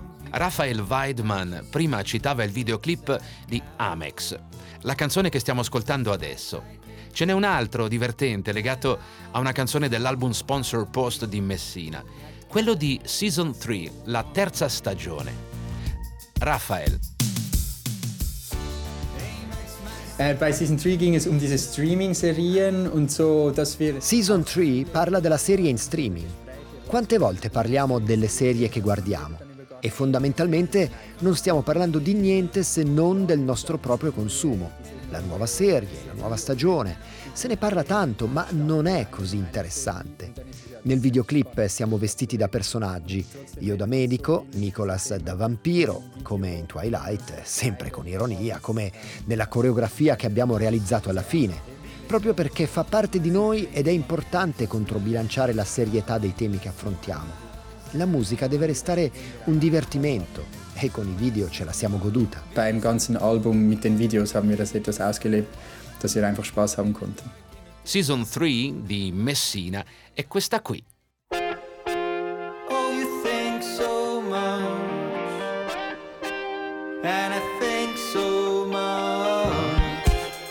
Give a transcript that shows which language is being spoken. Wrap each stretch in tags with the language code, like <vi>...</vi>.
<it>Rafael Weidman prima citava il videoclip di Amex, la canzone che stiamo ascoltando adesso. Ce n'è un altro divertente legato a una canzone dell'album Sponsor Post di Messina, quello di Season 3, la terza stagione. Rafael.</it> <de>Bei Season 3 ging es um diese Streaming-Serien und so, dass wir...</de> <it>Season 3 parla della serie in streaming. Quante volte parliamo delle serie che guardiamo? E fondamentalmente non stiamo parlando di niente se non del nostro proprio consumo. La nuova serie, la nuova stagione, se ne parla tanto, ma non è così interessante. Nel videoclip siamo vestiti da personaggi, io da medico, Nicolas da vampiro, come in Twilight, sempre con ironia, come nella coreografia che abbiamo realizzato alla fine. Proprio perché fa parte di noi ed è importante controbilanciare la serietà dei temi che affrontiamo. La musica deve restare un divertimento e con i video ce la siamo goduta.</it> <de>Beim ganzen Album mit den Videos haben wir das etwas ausgelebt, dass ihr einfach Spaß haben konnte.</de> <it>Season 3 di Messina è questa qui.</it> <en>Oh, you think so much, and I think so much.</en>